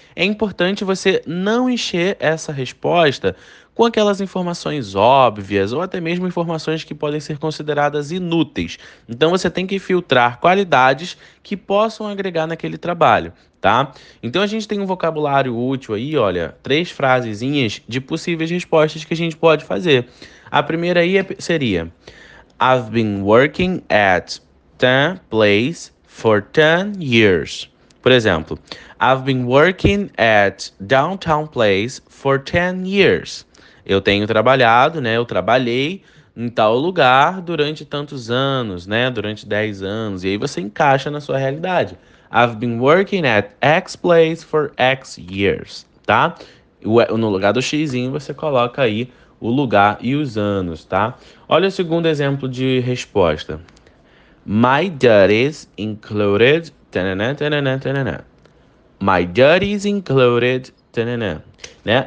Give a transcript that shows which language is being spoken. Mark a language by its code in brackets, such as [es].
[pt] É importante você não encher essa resposta com aquelas informações óbvias ou até mesmo informações que podem ser consideradas inúteis. Então você tem que filtrar qualidades que possam agregar naquele trabalho, tá? Então a gente tem um vocabulário útil aí, olha, três frasezinhas de possíveis respostas que a gente pode fazer. A primeira aí seria: [en] I've been working at the place for 10 years. [pt] Por exemplo, [en] I've been working at downtown place for 10 years. [pt] Eu tenho trabalhado, né? Eu trabalhei em tal lugar durante tantos anos, né? Durante 10 anos. E aí você encaixa na sua realidade. [en] I've been working at X place for X years, tá? [pt] No lugar do xizinho você coloca aí o lugar e os anos, tá? Olha o segundo exemplo de resposta. [en] My duties included. Tanana, tanana, tanana. My duties included. Tanana. Né?